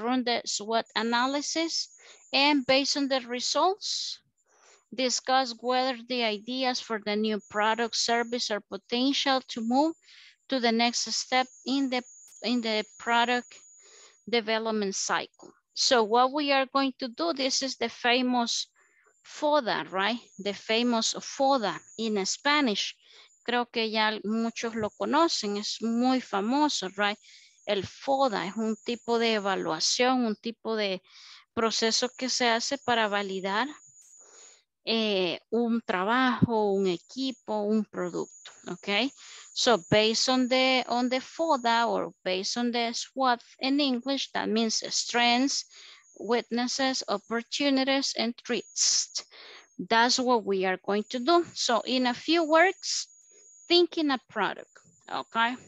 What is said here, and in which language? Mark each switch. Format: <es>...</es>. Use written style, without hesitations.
<en>Run the SWOT analysis and based on the results, discuss whether the ideas for the new product, service, or potential to move to the next step in the product development cycle. So what we are going to do, this is the famous FODA, right? The famous FODA in Spanish.</en> <es>Creo que ya muchos lo conocen, es muy famoso, right? El FODA es un tipo de evaluación, un tipo de proceso que se hace para validar un trabajo, un equipo, un producto, okay?</es> <en>So based on the FODA or based on the SWOT in English, that means strengths, weaknesses, opportunities, and threats. That's what we are going to do. So in a few words, thinking a product, okay?</en>